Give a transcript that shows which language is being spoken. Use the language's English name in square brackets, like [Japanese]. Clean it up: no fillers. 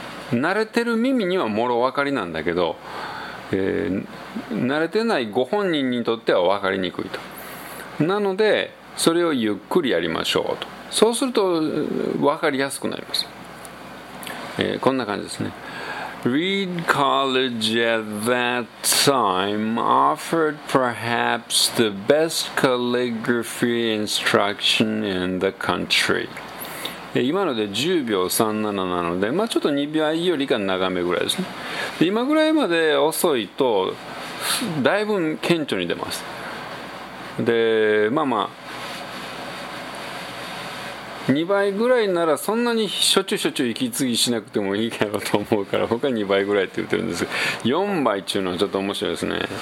[Japanese] 慣れてる耳にはもろわかりなんだけど、慣れてないご本人にとってはわかりにくいと。なのでそれをゆっくりやりましょうと。そうするとわかりやすくなります。こんな感じですね。 [English] Reed College at that time offered perhaps the best calligraphy instruction in the country. [Japanese] 今ので10秒37なので、まあ、ちょっと2秒よりか長めぐらいですね。で今ぐらいまで遅いとだいぶ顕著に出ます。で、まあまあ2倍ぐらいならそんなにしょっちゅうしょっちゅう息継ぎしなくてもいいかろうと思うから僕は2倍ぐらいって言ってるんですけど、4倍っていうのはちょっと面白いですね。